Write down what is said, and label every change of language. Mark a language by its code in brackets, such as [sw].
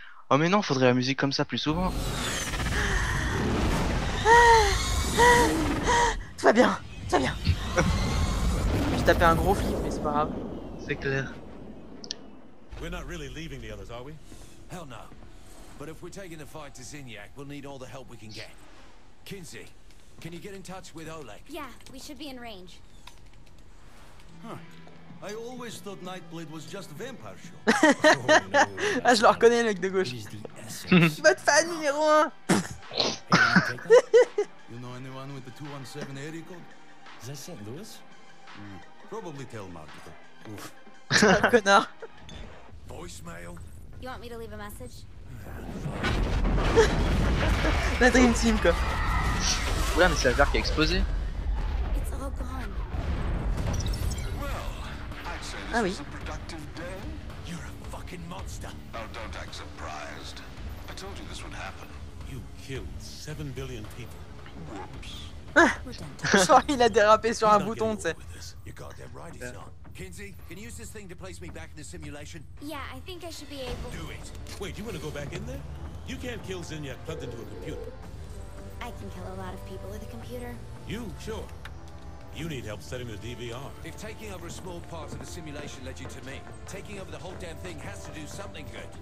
[fr] Oh mais non, faudrait la musique comme ça plus souvent. Tout va bien. J'ai tapé un gros flip, mais c'est pas grave. C'est clair. [en] We're not really leaving the others, are we? Hell no. But if we're taking the fight to Zinyak, we'll need all the help we can get. Kinsey, can you get in touch with Oleg? Yeah, we should be in range. I always thought Nightblade was just a vampire show. [fr] Ah, je le reconnais, le mec de gauche. Votre fan numéro 1. [en] You know anyone with the 217 area code? Is that St. Louis? Probably Telmark. [fr] Ouf. Connard. [en] Voicemail. You want me to leave a message? [fr] La Dream Team, quoi. Oula, mais c'est la verre qui a explosé. Ah oui. [en] You're a fucking monster. Oh, don't act surprised. I told you this would happen. You killed 7 billion people. Whoops. [fr] Il a dérapé sur un bouton, tu sais. [en] You're goddamn right, he's not. Kinsey, can you use this thing to place me back in the simulation? Yeah, I think I should be able. Do it. Wait, you want to go back in there? You can't kill Zinya plugged into a computer. I can kill a lot of people with a computer. You sure? You need help setting the DVR. If taking over a small part of the simulation led you to me, taking over the whole damn thing has to do something good.